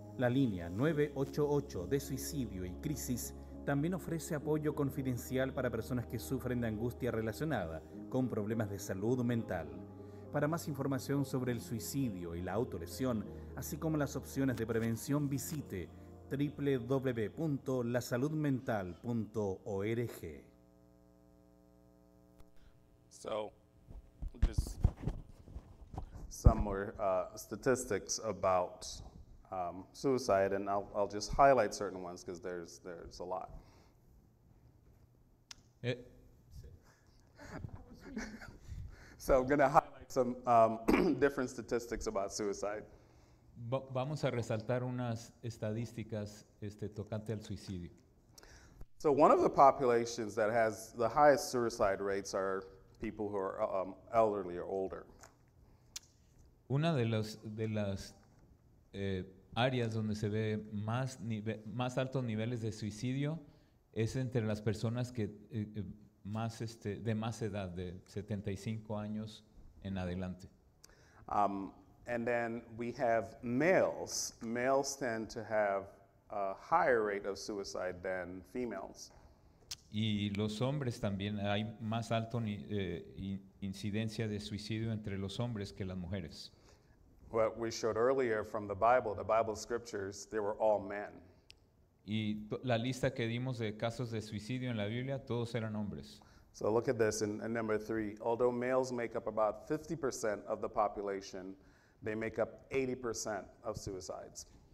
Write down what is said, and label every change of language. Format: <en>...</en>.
<es>La línea 988 de suicidio y crisis también ofrece apoyo confidencial para personas que sufren de angustia relacionada con problemas de salud mental. Para más información sobre el suicidio y la autolesión, así como las opciones de prevención, visite www.lasaludmental.org.</es> <en>So, just some more statistics about suicide, and I'll just highlight certain ones because there's a lot. So I'm going to highlight some different statistics about suicide.</en> <es>Vamos a resaltar unas estadísticas tocante al suicidio.</es> <en>So one of the populations that has the highest suicide rates are people who are elderly or older.</en> <es>Una de las áreas donde se ve más altos niveles de suicidio es entre las personas que de más edad, de 75 años en adelante.</es> <en>And then we have males. Males tend to have a higher rate of suicide than females.</en> <es>Y los hombres también, hay más alto incidencia de suicidio entre los hombres que las mujeres.</es> <en>What we showed earlier from the Bible scriptures, they were all men.</en> <es>Y la lista que dimos de casos de suicidio en la Biblia, todos eran hombres.</es> <en>So look at this in number three. Although males make up about 50% of the population, they make up 80% of suicides.</en>